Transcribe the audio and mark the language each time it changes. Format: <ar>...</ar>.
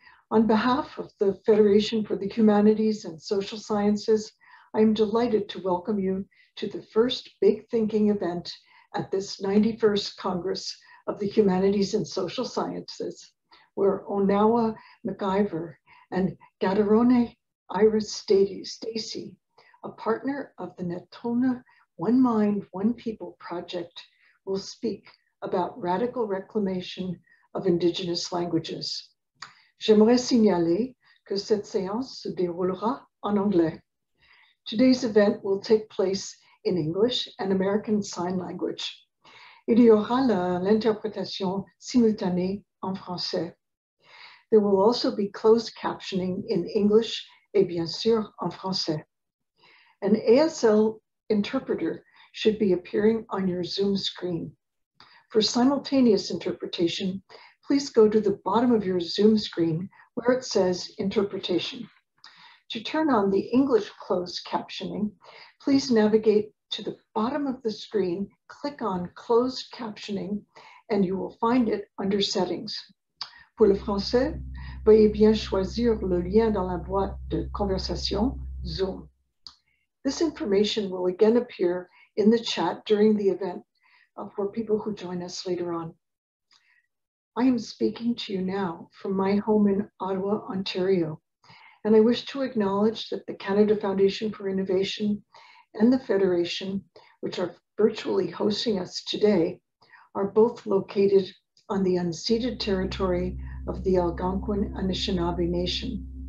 <en>On behalf of the Federation for the Humanities and Social Sciences, I'm delighted to welcome you to the first big thinking event at this 91st Congress of the Humanities and Social Sciences, where Onowa McIvor and Gadarone Iris Stacy, a partner of the Natona One Mind, One People project, will speak about radical reclamation of Indigenous languages.</en> <fr>J'aimerais signaler que cette séance se déroulera en anglais.</fr> <en>Today's event will take place in English and American Sign Language.</en> <fr>Il y aura l'interprétation simultanée en français.</fr> <en>There will also be closed captioning in English</en> <fr>et bien sûr en français.</fr> <en>An ASL interpreter should be appearing on your Zoom screen. For simultaneous interpretation, please go to the bottom of your Zoom screen where it says interpretation. To turn on the English closed captioning, please navigate to the bottom of the screen, click on closed captioning, and you will find it under settings.</en> <fr>Pour le français, veuillez bien choisir le lien dans la boîte de conversation, Zoom.</fr> <en>This information will again appear in the chat during the event for people who join us later on. I am speaking to you now from my home in Ottawa, Ontario, and I wish to acknowledge that the Canada Foundation for Innovation and the Federation, which are virtually hosting us today, are both located on the unceded territory of the Algonquin Anishinaabe Nation.</en>